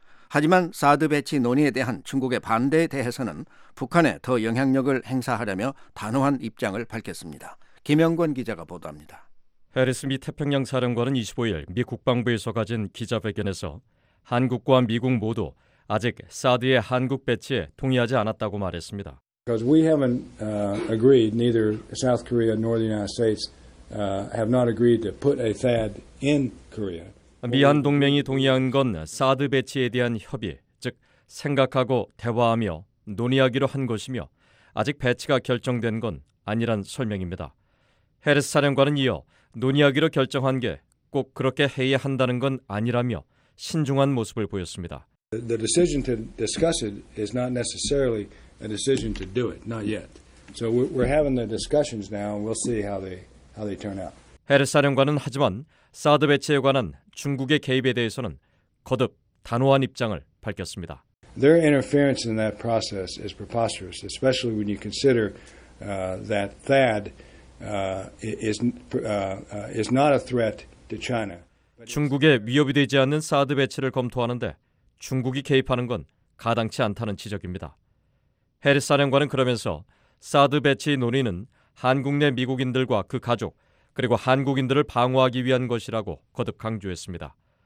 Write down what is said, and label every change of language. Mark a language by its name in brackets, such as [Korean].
[Korean] 하지만 사드 배치 논의에 대한 중국의 반대에 대해서는 북한에 더 영향력을 행사하려며 단호한 입장을 밝혔습니다. 김영권 기자가 보도합니다. 해리스 미 태평양 사령관은 25일 미 국방부에서 가진 기자회견에서 한국과 미국 모두 아직 사드의 한국 배치에 동의하지 않았다고 말했습니다. [English] Because we haven't agreed, neither South Korea nor the United States have not agreed to put a THAAD in Korea. [Korean] 미한 동맹이 동의한 건 사드 배치에 대한 협의, 즉 생각하고 대화하며 논의하기로 한 것이며 아직 배치가 결정된 건 아니란 설명입니다. 해리스 사령관은 이어 논의하기로 결정한 게 꼭 그렇게 해야 한다는 건 아니라며 신중한 모습을 보였습니다. [English] The decision to discuss it is not necessarily a decision to do it, not yet. So we're having the discussions now, and we'll see how they turn out. [Korean] 해리스 사령관은 하지만 사드 배치에 관한 중국의 개입에 대해서는 거듭 단호한 입장을 밝혔습니다. [English] Their interference in that process is preposterous, especially when you consider that THAAD is not a threat to China. [Korean] 중국에 위협이 되지 않는 사드 배치를 검토하는데 중국이 개입하는 건 가당치 않다는 지적입니다. 해리스 사령관은 그러면서 사드 배치 논의는 한국 내 미국인들과 그 가족, 그리고 한국인들을 방어하기 위한 것이라고 거듭 강조했습니다.